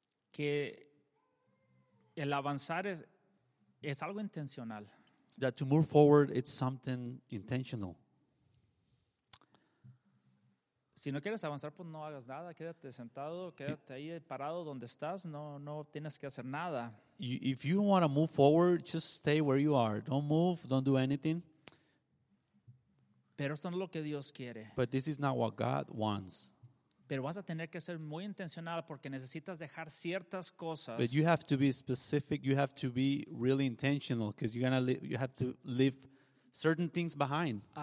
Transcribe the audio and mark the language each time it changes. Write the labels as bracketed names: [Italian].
[Spanish] Que el avanzar es algo intencional. [English] That to move forward, it's something intentional. [Spanish] Si no quieres avanzar, pues no hagas nada. Quédate sentado, quédate ahí parado donde estás. No tienes que hacer nada. [English] If you don't want to move forward, just stay where you are. Don't move, don't do anything. [Spanish] Pero esto no es lo que Dios quiere. [English] But this is not what God wants. [Spanish] Pero vas a tener que ser muy intencional porque necesitas dejar ciertas cosas. [English] But you have to be specific. You have to be really intentional because you have to leave certain things behind.